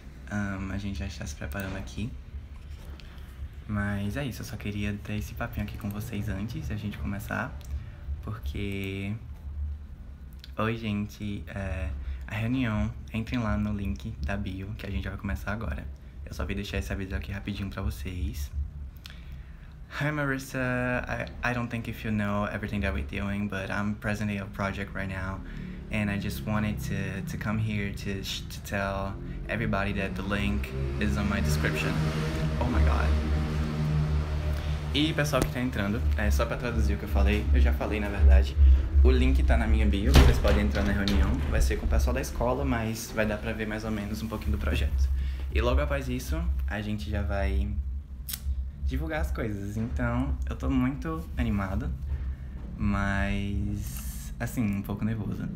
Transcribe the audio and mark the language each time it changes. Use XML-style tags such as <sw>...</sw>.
<pt>A gente já está se preparando aqui. Mas é isso, eu só queria ter esse papinho aqui com vocês antes da gente começar, porque... Oi, gente, a reunião, entrem lá no link da bio, que a gente vai começar agora. Eu só vim deixar esse aviso aqui rapidinho pra vocês.</pt> <en>Hi, Marissa, I don't think if you know everything that we're doing, but I'm presently a project right now, and I just wanted to come here to tell everybody that the link is on my description. Oh my God.</en> <pt>E pessoal que tá entrando, só pra traduzir o que eu já falei na verdade, o link tá na minha bio, vocês podem entrar na reunião, vai ser com o pessoal da escola, mas vai dar pra ver mais ou menos um pouquinho do projeto. E logo após isso, a gente já vai divulgar as coisas, então eu tô muito animado, mas assim, um pouco nervoso.</pt>